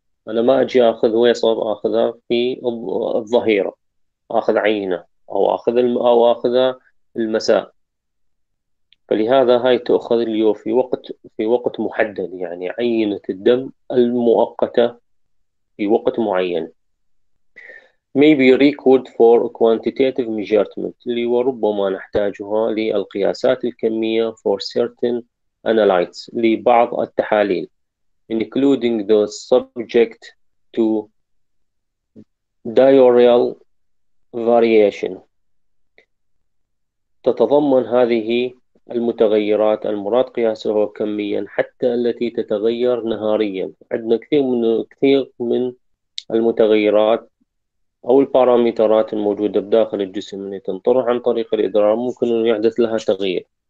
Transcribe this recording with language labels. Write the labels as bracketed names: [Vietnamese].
[Arabic] أنا ما أجي أخذ ويصب أخذها في الظهيرة، أخذ عينة أو أخذ المساء. فلهذا هاي تأخذ اللي هو في وقت محدد، يعني عينة الدم المؤقتة في وقت معين. [English] Maybe record for quantitative measurement، [Arabic] اللي وربما نحتاجها للقياسات الكمية [English] for certain analytes، [Arabic] لبعض التحاليل [English] including the subject to diurnal variation. [Arabic] تتضمن هذه المتغيرات المراد قياسها كميا حتى التي تتغير نهاريا. عندنا كثير من المتغيرات أو البارامترات الموجودة بداخل الجسم اللي تنطرح عن طريق الإدرار ممكن أن يحدث لها تغيير.